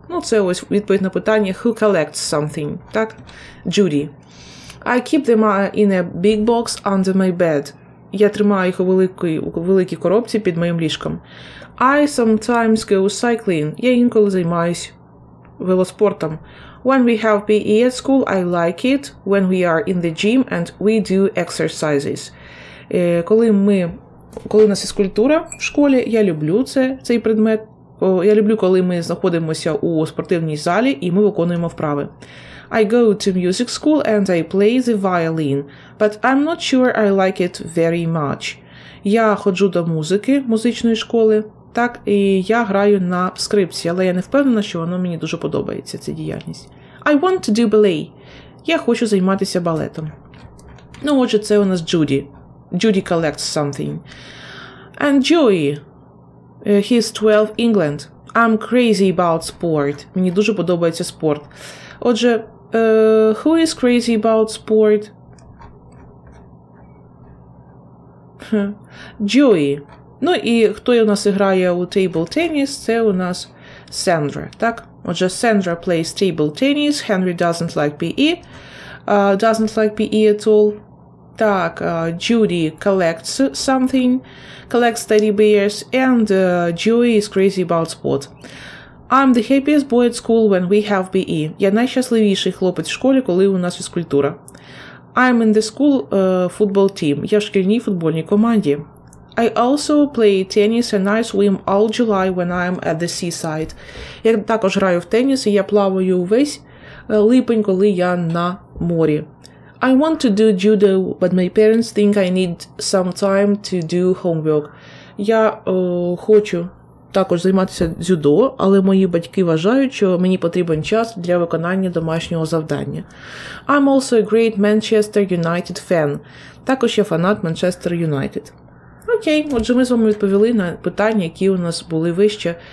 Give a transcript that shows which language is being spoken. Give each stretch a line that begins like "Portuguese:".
Ukrainian: Ну, це ось відповідь на питання
English: who collects something,
Ukrainian: так? Judy.
English: I keep them in a big box under my bed.
Ukrainian: Я тримаю їх у великій коробці під моїм ліжком.
English: I sometimes go cycling.
Ukrainian: Я інколи займаюсь велоспортом.
English: When we have PE at school, I like it when we are in the gym and we do exercises.
Ukrainian: Коли у нас фізкультура в школі, я люблю цей предмет. Я люблю, коли ми знаходимося у спортивній залі і ми виконуємо вправи.
English: I go to music school and I play the violin, but I'm not sure I like it very much.
Ukrainian: Я ходжу до музичної школи, так, і я граю на скрипці, але я не впевнена, що воно мені дуже подобається, ця діяльність.
English: I want to do ballet.
Ukrainian: Я хочу займатися балетом. Ну, отже, це у нас Джуді.
English: Judy collects something. And Joey, he's 12, England. I'm crazy about sport.
Ukrainian: Мені дуже подобається спорт. Отже,
English: who is crazy about sport?
Ukrainian: Joey. Ну і хто у нас грає у
English: table tennis?
Ukrainian: Це у нас Sandra, так? Отже, Sandra
English: plays table tennis. Henry doesn't like PE. Doesn't like PE at all. Так, Judy collects something, collects teddy bears, and Joey is crazy about sport. I'm the happiest boy at school when we have PE.
Ukrainian: Я найщасливіший хлопець в школі, коли у нас фізкультура.
English: I'm in the school football team.
Ukrainian: Я в шкільній футбольній команді.
English: I also play tennis and I swim all July when I'm at the seaside.
Ukrainian: Я також граю в теніс, і я плаваю увесь липень, коли я на морі.
English: I want to do judo, but my parents think I need some time to do homework.
Ukrainian: Я хочу також займатися дзюдо, але мої батьки вважають, що мені потрібен час для виконання домашнього завдання.
English: I'm also a great Manchester United fan.
Ukrainian: Також я фанат Manchester United. Окей, отже, ми з вами відповіли на питання, які у нас були вище.